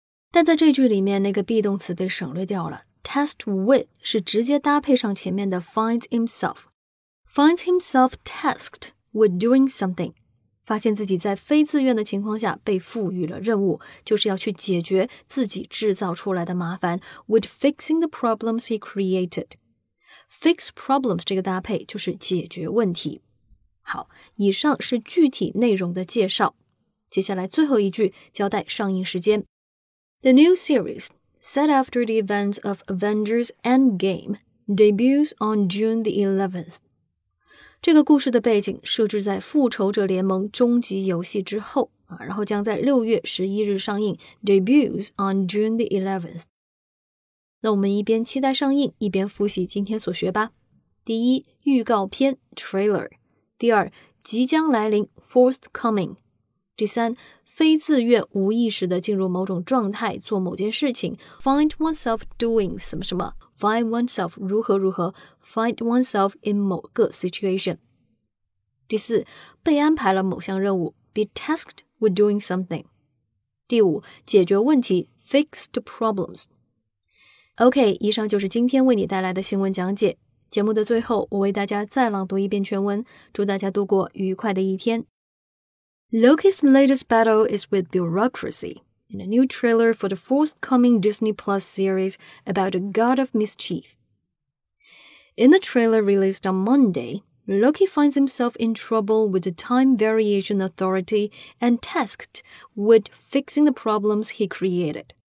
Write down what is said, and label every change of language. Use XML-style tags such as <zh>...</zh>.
<zh>但在这句里面，那个 be 动词被省略掉了，</zh> <en>tasked with</en> <zh>是直接搭配上前面的</zh> <en>finds himself， finds himself tasked with doing something，</en> <zh>发现自己在非自愿的情况下被赋予了任务，就是要去解决自己制造出来的麻烦，</zh> <en>with fixing the problems he created。</en> <zh>fix problems 这个搭配就是解决问题。好，以上是具体内容的介绍，接下来最后一句交代上映时间。</zh> <en>The new series set after the events of Avengers Endgame debuts on June the 11th。</en> <zh>这个故事的背景设置在《复仇者联盟：终极游戏》之后啊，然后将在6月11日上映，</zh> <en>debuts on June the 11th。</en> <zh>那我们一边期待上映，一边复习今天所学吧。第一，预告片 trailer。第二，即将来临 forthcoming。第三，非自愿无意识地进入某种状态做某件事情，</zh> <en>find oneself doing</en> <zh>什么什么，</zh> <en>find oneself</en> <zh>如何如何，</zh> <en>find oneself in</en> <zh>某个 situation。第四，被安排了某项任务，</zh> <en>be tasked with doing something。</en> <zh>第五，解决问题，</zh> <en>fixed problems。</en> <zh>OK， 以上就是今天为你带来的新闻讲解。节目的最后，我为大家再朗读一遍全文，祝大家度过愉快的一天。</zh> <en>Loki's latest battle is with bureaucracy. In a new trailer for the forthcoming Disney Plus series about a god of mischief. In the trailer released on Monday, Loki finds himself in trouble with the time variation authority and tasked with fixing the problems he created.</en>